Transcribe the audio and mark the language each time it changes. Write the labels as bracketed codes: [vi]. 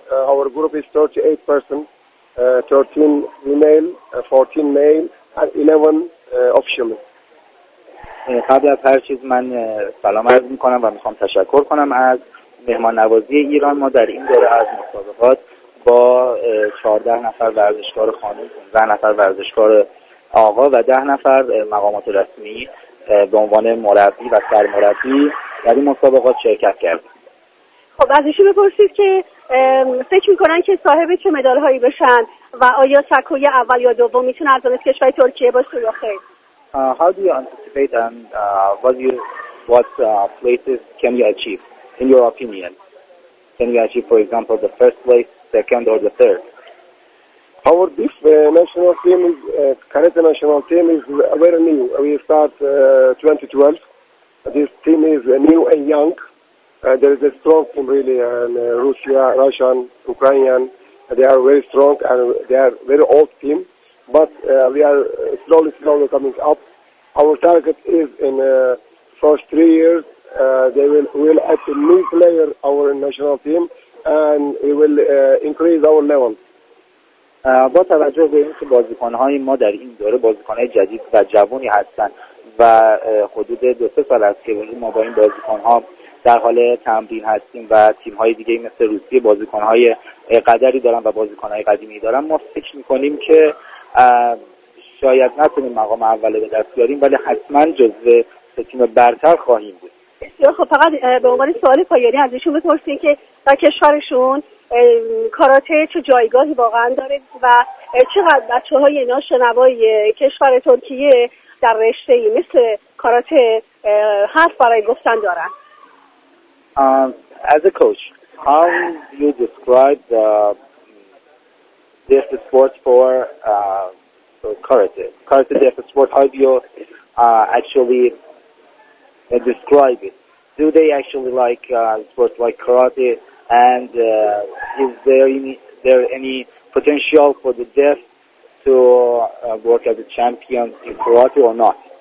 [en] Our group is 38 person, 13 female, 14 male, and 11 officials. [fa] قبل از هر چیز من سلام عرض میکنم و میخوام تشکر کنم از مهمان نوازی ایران. ما در این دوره از مسابقات با 14 نفر ورزشکار خانم، 15 نفر ورزشکار آقا و 10 نفر مقامات رسمی به عنوان مربی و سرمربی در این مسابقات شرکت کردیم. خب از ایشون بپرسید که فکر میکنن که صاحب چه مدال هایی بشن و آیا سکوی اول یا دوم میتونه از دانست کشور ترکیه باشه یا خیر؟ [en] How do you anticipate and what places can you achieve, in your opinion? Can you achieve, for example, the first place, second, or the third? Our this national team, is Karate national team, is very new. We start 2012. This team is new and young. There is a strong team, really, and Russia, Russian, Ukrainian. They are very strong and they are very old team. But we are slowly coming up. Our target is in the first 3 years, they will add a new player, our national team, and we will increase our level. [fa] با توجه به اینکه بازیکنهای ما در این دوره بازیکنهای جدید و جوانی هستند و حدود 2-3 سال است که ما با این بازیکنها در حال تمرین هستیم و تیمهای دیگه مثل روسیه بازیکنهای قدری دارن و بازیکنهای قدیمی دارن، ما فکر میکنیم که شاید نتونیم مقام اول به دست بیاریم ولی حتما جزو تیم برتر خواهیم بود. بسیار خب، فقط به عنوان سوال پایانی از ایشون بپرسیم که در کشورشون کاراته چه جایگاهی واقعا داره و چقدر بچه‌های ناشنوای کشور ترکیه در رشته‌ای مثل کاراته حرف برای گفتن دارن. [en] As a coach, how do you describe this sport for karate? Karate is a sport. How do you actually describe it? Do they actually like sports like karate? And is there any potential for the deaf to work as a champion in karate or not?